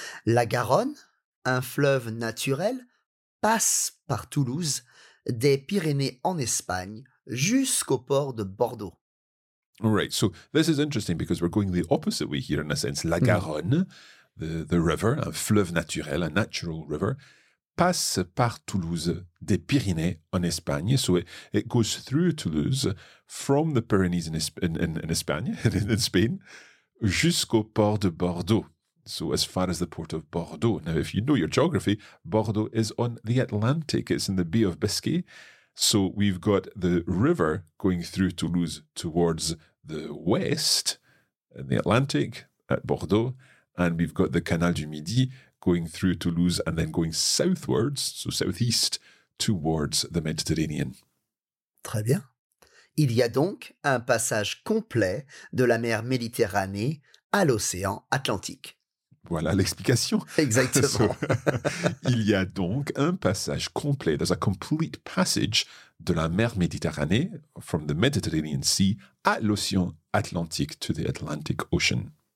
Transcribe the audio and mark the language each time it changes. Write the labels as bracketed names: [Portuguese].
[French] La Garonne, un fleuve naturel, passe par Toulouse, des Pyrénées en Espagne, jusqu'au port de Bordeaux. [English] Right, so this is interesting because we're going the opposite way here in a sense. La Garonne, the river, [French] un fleuve naturel, [English] a natural river, [French] passe par Toulouse des Pyrénées en Espagne. [English] So it goes through Toulouse from the Pyrenees in Spain, [French] jusqu'au port de Bordeaux. [English] So as far as the port of Bordeaux. Now, if you know your geography, Bordeaux is on the Atlantic. It's in the Bay of Biscay. So we've got the river going through Toulouse towards the west, in the Atlantic at Bordeaux, and we've got the Canal du Midi going through Toulouse and then going southwards, so southeast, towards the Mediterranean. [French] Très bien. Il y a donc un passage complet de la mer Méditerranée à l'océan Atlantique. Voilà l'explication. Exactement. [English] So, [French] il y a donc un passage complet. [English] There's a complete passage [French] de la mer Méditerranée, [English] from the Mediterranean Sea, [French] à l'océan Atlantique, [English] to the Atlantic Ocean.